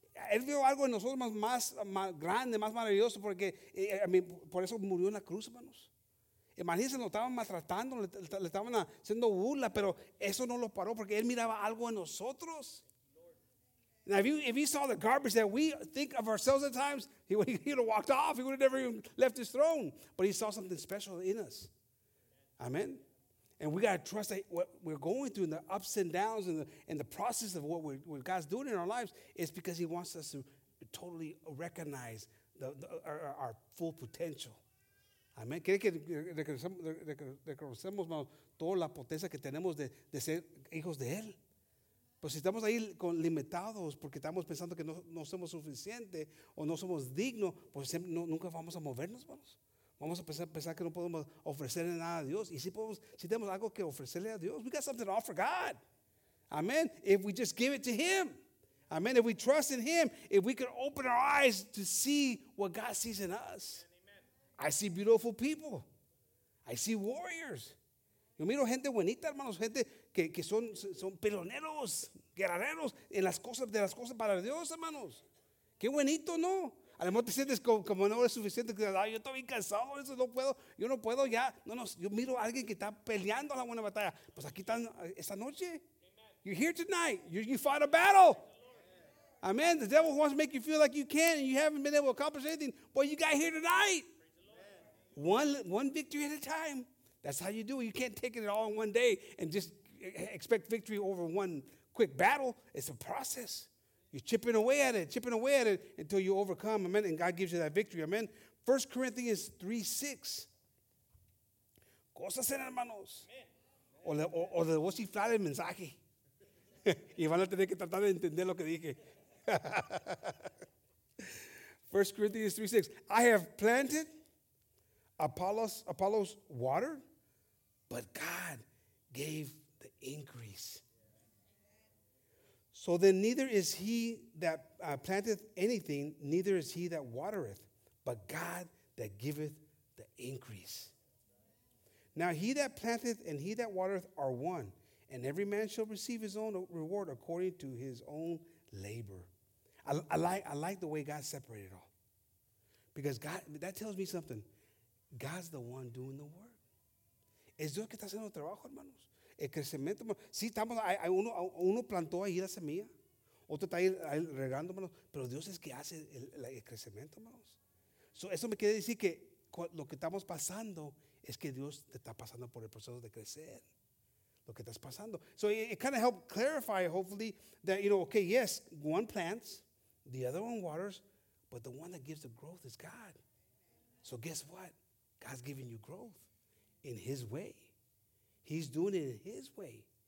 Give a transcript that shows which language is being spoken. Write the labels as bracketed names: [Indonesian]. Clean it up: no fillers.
[Spanish] Él vio algo en nosotros más, más, más grande, más maravilloso, porque por eso murió en la cruz, hermanos. Imagínense, lo estaban maltratando, le estaban haciendo burla, pero eso no lo paró porque él miraba algo en nosotros. [English] Now, if he saw the garbage that we think of ourselves at times, he would have walked off. He would have never even left his throne. But he saw something special in us. Amen. And we got to trust that what we're going through, and the ups and downs, and the process of what God's doing in our lives, is because he wants us to totally recognize our full potential. Amen. [Spanish] ¿Quiere que reconocemos toda la potencia que tenemos de ser hijos de él? Pues si estamos ahí con limitados porque estamos pensando que no somos suficientes o no somos dignos, pues siempre, nunca vamos a movernos, hermanos. Vamos a pensar que no podemos ofrecerle nada a Dios. Y si tenemos algo que ofrecerle a Dios, [English] we got something to offer God. [Spanish] Amen. [English] If we just give it to him. Amen. If we trust in him, if we can open our eyes to see what God sees in us. I see beautiful people. I see warriors. [Spanish] Yo miro gente bonita, hermanos, gente que son peloneros, guerreros, en las cosas para Dios, hermanos. Qué bonito, ¿no? A lo mejor te sientes como no es suficiente, que ay, yo estoy bien cansado, eso no puedo, yo no puedo ya. No, yo miro a alguien que está peleando la buena batalla. Pues aquí están esta noche. [English] Amen. You're here tonight. You fought a battle. Amen. The devil wants to make you feel like you can't and you haven't been able to accomplish anything. But you got here tonight. One victory at a time. That's how you do it. You can't take it all in one day and just expect victory over one quick battle. It's a process. You're chipping away at it until you overcome. Amen. And God gives you that victory. Amen. 1 Corinthians 3:6. [Spanish] Cosas en hermanos. O le voy a chiflar el mensaje. Y van a tener que tratar de entender lo que dije. [English] 1 Corinthians 3:6. I have planted, Apollos watered, but God gave the increase. So then neither is he that planteth anything, neither is he that watereth, but God that giveth the increase. Now he that planteth and he that watereth are one, and every man shall receive his own reward according to his own labor. I like the way God separated it all. Because God, that tells me something. God's the one doing the work. [Spanish] Es Dios que está haciendo el trabajo, hermanos. El crecimiento, hermanos. Sí, estamos, uno plantó ahí la semilla. Otro está ahí regando, hermanos. Pero Dios es que hace el crecimiento, hermanos. So, eso me quiere decir que lo que estamos pasando es que Dios te está pasando por el proceso de crecer. Lo que estás pasando. [English] So it kind of helped clarify, hopefully, that, you know, okay, yes, one plants, the other one waters, but the one that gives the growth is God. So guess what? God's giving you growth. In his way. He's doing it in his way.